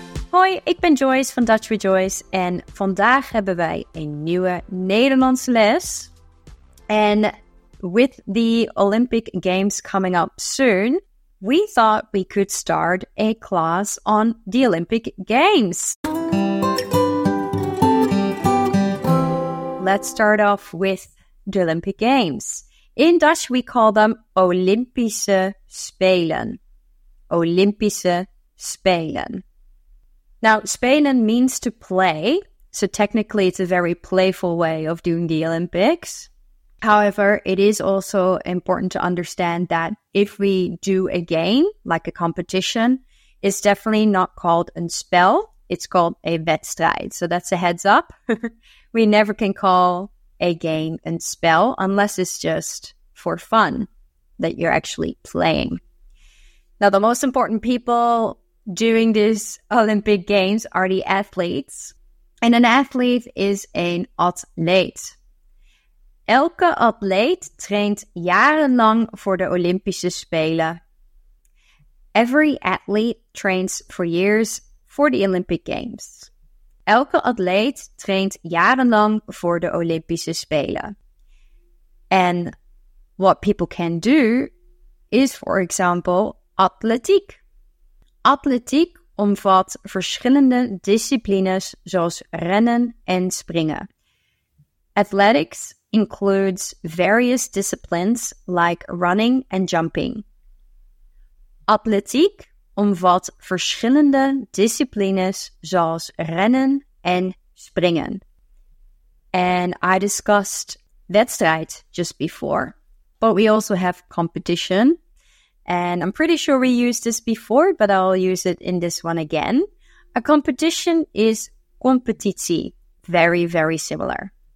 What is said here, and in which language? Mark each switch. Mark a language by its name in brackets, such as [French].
[Dutch] Hoi, ik ben Joyce van Dutch with Joyce en vandaag hebben wij een nieuwe Nederlandse les. [English] En with the Olympic Games coming up soon, we thought we could start a class on the Olympic Games. Let's start off with the Olympic Games. In Dutch we call them Olympische Spelen. [Dutch] Olympische Spelen. [English] Now, spelen means to play, so technically it's a very playful way of doing the Olympics. However, it is also important to understand that if we do a game, like a competition, it's definitely not called een spel, it's called a wedstrijd. So that's a heads up. We never can call a game een spel unless it's just for fun, that you're actually playing. Now, the most important people doing these Olympic Games are the athletes. And an athlete is [Dutch] een atleet. Elke atleet traint jarenlang voor de Olympische Spelen. [English] Every athlete trains for years for the Olympic Games. [Dutch] Elke atleet traint jarenlang voor de Olympische Spelen. [English] And what people can do is, for example, atletiek. [Dutch] Atletiek omvat verschillende disciplines zoals rennen en springen. [English] Athletics includes various disciplines like running and jumping. [Dutch] Atletiek omvat verschillende disciplines zoals rennen en springen. [English] And I discussed wedstrijd just before, but we also have competition. And I'm pretty sure we used this before, but I'll use it in this one again. A competition is competitie. Very, very similar.